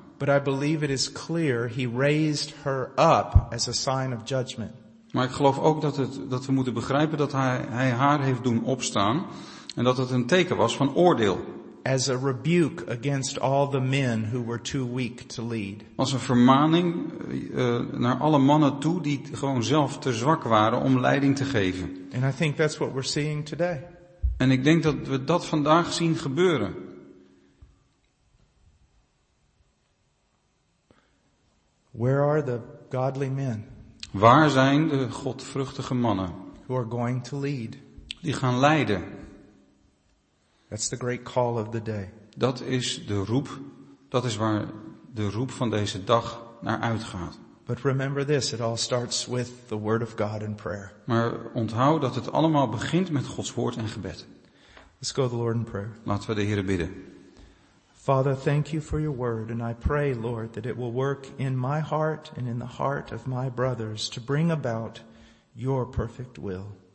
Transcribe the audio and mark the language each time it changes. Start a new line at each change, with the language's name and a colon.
English: But I believe it is clear he raised her up as a sign of judgment.
Dutch: Maar ik geloof ook dat we moeten begrijpen dat hij haar heeft doen opstaan en dat het een teken was van oordeel.
English: As a rebuke against all the men who were too weak to lead.
Dutch: Als een vermaning naar alle mannen toe die gewoon zelf te zwak waren om leiding te geven.
English: And I think that's what we're seeing today.
Dutch: En ik denk dat we dat vandaag zien gebeuren.
English: Where are the godly men?
Dutch: Waar zijn de godvruchtige mannen?
English: Who are going to lead?
Dutch: Die gaan leiden.
English: That's the great call of the day.
Dutch: Dat is de roep. Dat is waar de roep van deze dag naar uitgaat.
English: But remember this, it all starts with the word of God and prayer.
Dutch: Maar onthoud dat het allemaal begint met Gods woord en gebed.
English: Let's go to the Lord in prayer.
Dutch: Laten we de Heere bidden.
English: Father, thank you for your word, and I pray, Lord, that it will work in my heart and in the heart of my brothers to bring about your perfect will.